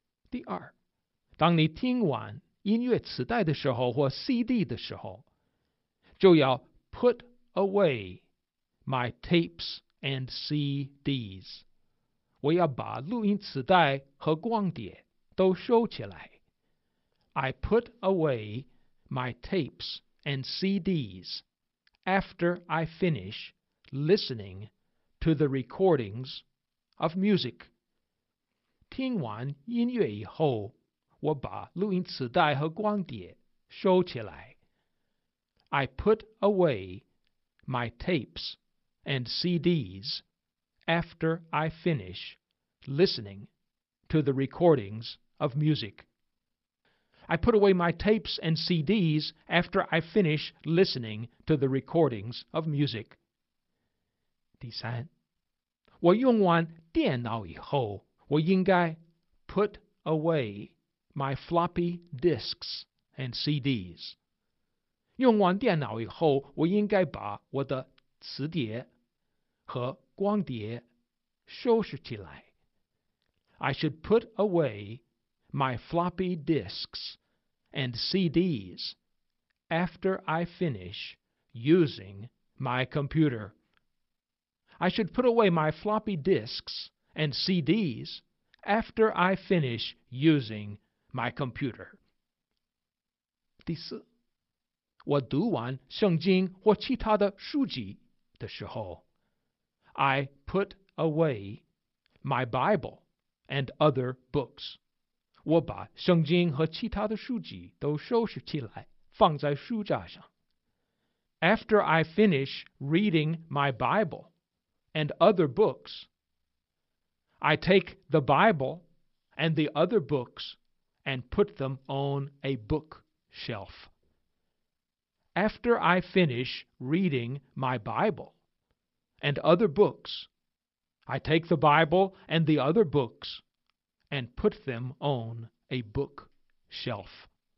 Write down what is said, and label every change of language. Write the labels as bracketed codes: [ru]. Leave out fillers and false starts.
[zh] 第二，当你听完音乐磁带的时候或 CD 的时候，就要 [en] put awaymy tapes and CDs， [zh] 我要把录音磁带和光碟都收起来。 [en] I put away my tapes and CDs after I finish listening to the recordings of music。 [zh] 听完音乐以后，我把录音磁带和光碟收起来。 [en] I put away my tapes and CDs after I finish listening to the recordings of music. I put away my tapes and CDs after I finish listening to the recordings of music. [zh] 第三，我用完电脑以后，我应该 [en] put away my floppy disks and CDs. [zh] 用完电脑以后，我应该把我的磁碟和光碟收拾起来。 [en] I should put away my floppy disks and CDs after I finish using my computer. I should put away my floppy disks and CDs after I finish using my computer. [zh] 第四，我读完圣经或其他的书籍的时候， [en] I put away my Bible and other books. [zh] 我把圣经和其他的书籍都收拾起来，放在书架上。 [en] After I finish reading my Bible and other books, I take the Bible and the other books and put them on a bookshelf. After I finish reading my Bible and other books, I take the Bible and the other books and put them on a bookshelf.